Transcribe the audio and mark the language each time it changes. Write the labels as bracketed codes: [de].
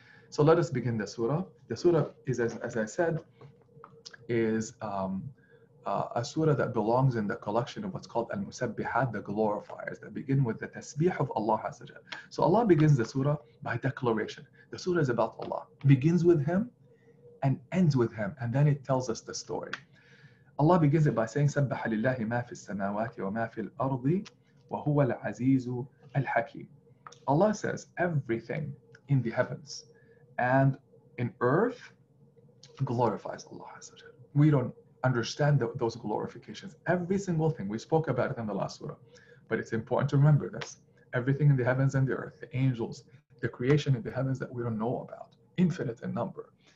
[en] So let us begin the surah. The surah is, as I said, is a surah that belongs in the collection of what's called Al-Musabbihat, the glorifiers, that begin with the tasbih of Allah Azza wa Jal. So Allah begins the surah by declaration. The surah is about Allah. It begins with Him and ends with Him, and then it tells us the story. Allah begins it by saying, [ar] سَبَّحَ لِلَّهِ مَا فِي السَّمَاوَاتِ وَمَا فِي الْأَرْضِ وَهُوَ الْعَزِيزُ الْحَكِيمُ. [en] Allah says, everything in the heavens and in earth glorifies Allah Azza wa Jal. We don't understand those glorifications. Every single thing, we spoke about it in the last surah, but it's important to remember this. Everything in the heavens and the earth, the angels, the creation in the heavens that we don't know about, infinite in number.